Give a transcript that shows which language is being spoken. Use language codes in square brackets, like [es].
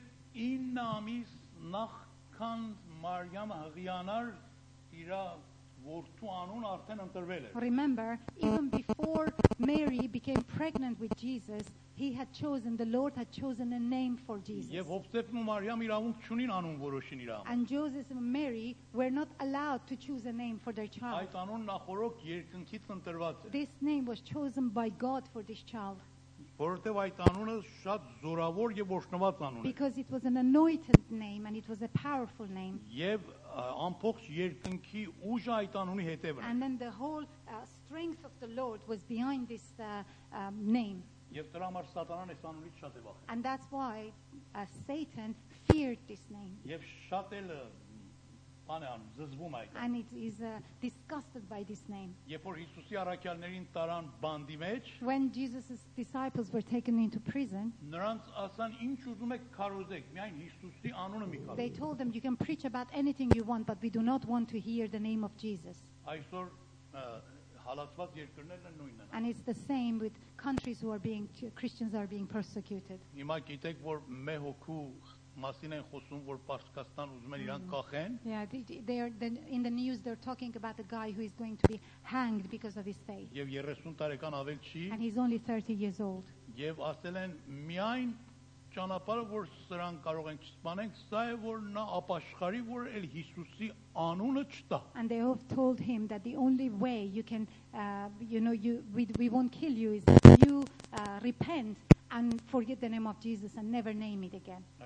[hy] Ին ամիս նախքան Մարիամ հղիանար իր որդու անուն արդեն ընտրվել էր. [en] Remember, even before Mary became pregnant with Jesus, he had chosen, the Lord had chosen a name for Jesus. [hy] Եվ Հովսեփն ու Մարիամ իրավունք չունին անուն որոշին իր համար. [en] And Joseph and Mary were not allowed to choose a name for their child. [hy] Այդ անուն նախորոք երկնքից ընտրված էր. [en] This name was chosen by God for this child. [hy] Որտեւ այդ անունը շատ զորավոր եւ ողնված անուն է։ [en] Because it was an anointed name and it was a powerful name. [hy] Եվ ամբողջ երկնքի ուժը այդ անունի հետևն է։ [en] And then the whole strength of the Lord was behind this name. [hy] Եվ դրա համար Սատանան այս անունից շատ է վախենում։ [en] And that's why Satan feared this name. [hy] Եվ շատ էլ բան է անում, զզվում այդ։ [en] And it is disgusted by this name. [hy] Երբ որ Հիսուսի առաքյալներին տարան բանդի մեջ, [en] when Jesus's disciples were taken into prison, [hy] նրանց ասան, ինչ ուզում եք քարոզեք, միայն Հիսուսի անունը մի քարոզեք։ [en] They told them you can preach about anything you want, but we do not want to hear the name of Jesus. [hy] Այսօր հալածված երկրներն են նույնն են։ [en] And it's the same with countries who are being Christians are being persecuted. [hy] Հիմա գիտեք, որ մե հոգու մասին են խոսում, որ Պարսկաստան ուզում են իրան կախեն։ [en] Yeah, they are in the news, they're talking about a guy who is going to be hanged because of his faith. [hy] Եվ 30 տարեկան ավել չի։ [en] And he's only 30 years old. [hy] Եվ ասել են, միայն ճանապարհը, որ սրան կարող են չսպանենք, սա է, որ նա ապաշխարի, որ էլ Հիսուսի անունը չտա։ [en] And they have told him that the only way you can we won't kill you is if you repent and forget the name of Jesus and never name it again.